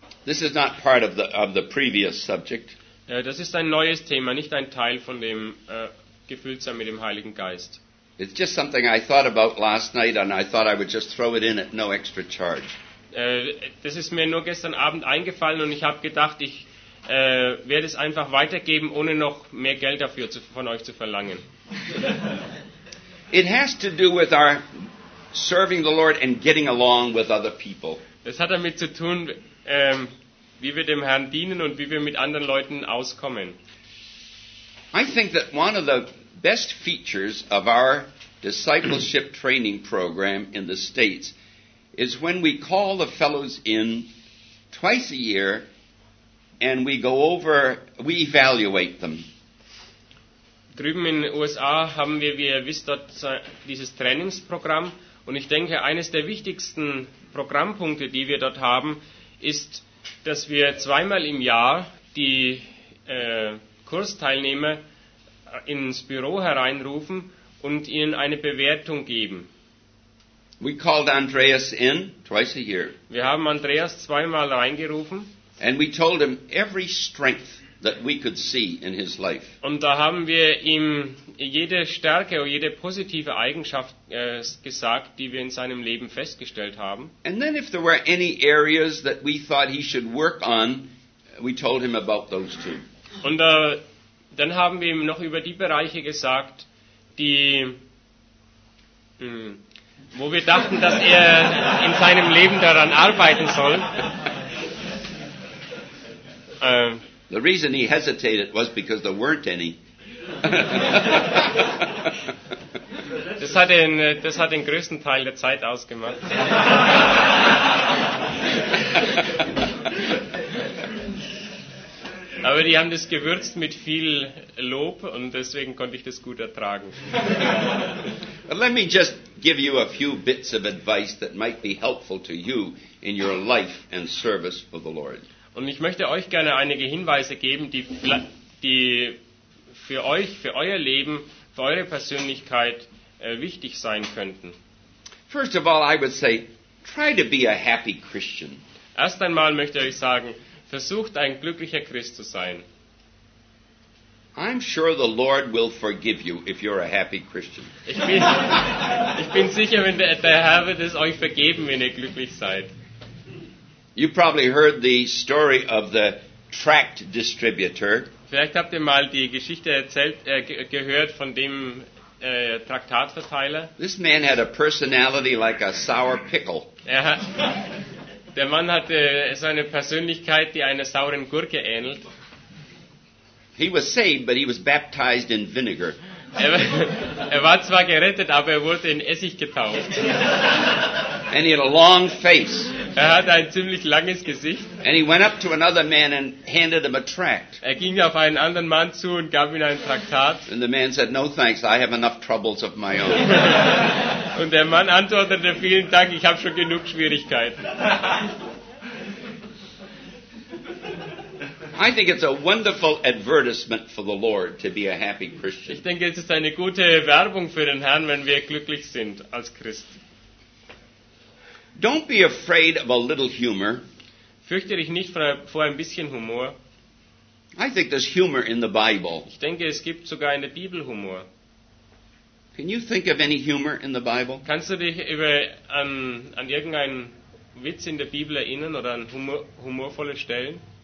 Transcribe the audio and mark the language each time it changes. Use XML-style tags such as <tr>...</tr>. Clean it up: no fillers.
<en>This is not part of the previous subject.</en> <de>Das ist ein neues Thema, nicht ein Teil von dem gefüllt sein mit dem Heiligen Geist.</de> <en>It's just something I thought about last night and I thought I would just throw it in at no extra charge.</en> <de>Das ist mir nur gestern Abend eingefallen und ich habe gedacht, ich werde es einfach weitergeben, ohne noch mehr Geld dafür von euch zu verlangen.</de> <en>It has to do with our serving the Lord and getting along with other people.</en> <de>Das hat damit zu tun, wie wir dem Herrn dienen und wie wir mit anderen Leuten auskommen.</de> <en>I think that one of the best features of our discipleship training program in the States is when we call the fellows in twice a year and we go over, we evaluate them.</en> <de>Drüben in den USA haben wir, wie ihr wisst, dort dieses Trainingsprogramm. Und ich denke, eines der wichtigsten Programmpunkte, die wir dort haben, ist, dass wir zweimal im Jahr die Kursteilnehmer ins Büro hereinrufen und ihnen eine Bewertung geben.</de> <en>We called Andreas in twice a year.</en> <de>Wir haben Andreas zweimal reingerufen.</de> <en>And we told him every strength that we could see in his life.</en> <de>Und da haben wir ihm jede Stärke oder jede positive Eigenschaft gesagt, die wir in seinem Leben festgestellt haben.</de> <en>And then if there were any areas that we thought he should work on, we told him about those too.</en> <de>Und dann haben wir ihm noch über die Bereiche gesagt, die wo wir dachten, dass er in seinem Leben daran arbeiten soll.</de> <en>The reason he hesitated was because there weren't any.</en> <de>Das hat den größten Teil der Zeit ausgemacht. Aber die haben das gewürzt mit viel Lob und deswegen konnte ich das gut ertragen.</de> <en>Let me just give you a few bits of advice that might be helpful to you in your life and service for the Lord.</en> <de>Und ich möchte euch gerne einige Hinweise geben, die für euch, für euer Leben, für eure Persönlichkeit wichtig sein könnten.</de> <en>First of all, I would say, try to be a happy Christian.</en> <de>Erst einmal möchte ich euch sagen, versucht ein glücklicher Christ zu sein.</de> <en>I'm sure the Lord will forgive you if you're a happy Christian.</en> <de>Ich bin sicher, wenn der Herr wird es euch vergeben, wenn ihr glücklich seid.</de> <en>You probably heard the story of the tract distributor.</en> <de>Vielleicht habt ihr mal die Geschichte gehört von dem Traktatverteiler.</de> <en>This man had a personality like a sour pickle.</en> <de>Der Mann hatte so eine Persönlichkeit, die einer sauren Gurke ähnelt.</de> <en>He was saved, but he was baptized in vinegar.</en> <de>Er war zwar gerettet, aber er wurde in Essig getauft.</de> <en>And he had a long face.</en> <de>Er hatte ein ziemlich langes Gesicht.</de> <en>And he went up to another man and handed him a tract.</en> <de>Er ging auf einen anderen Mann zu und gab ihm ein Traktat.</de> <en>And the man said, "No thanks, I have enough troubles of my own."</en> <de>Und der Mann antwortete, "Vielen Dank, ich habe schon genug Schwierigkeiten."</de> <en>I think it's a wonderful advertisement for the Lord to be a happy Christian.</en> <de>Ich denke, es ist eine gute Werbung für den Herrn, wenn wir glücklich sind als Christ.</de> <en>Don't be afraid of a little humor.</en> <de>Fürchte dich nicht vor ein bisschen Humor.</de> <en>I think there's humor in the Bible.</en> <de>Ich denke, es gibt sogar in der Bibel Humor.</de> <en>Can you think of any humor in the Bible?</en> <de>Kannst du dich an irgendeinen Witz in der Bibel erinnern oder an humorvolle Stellen?</de>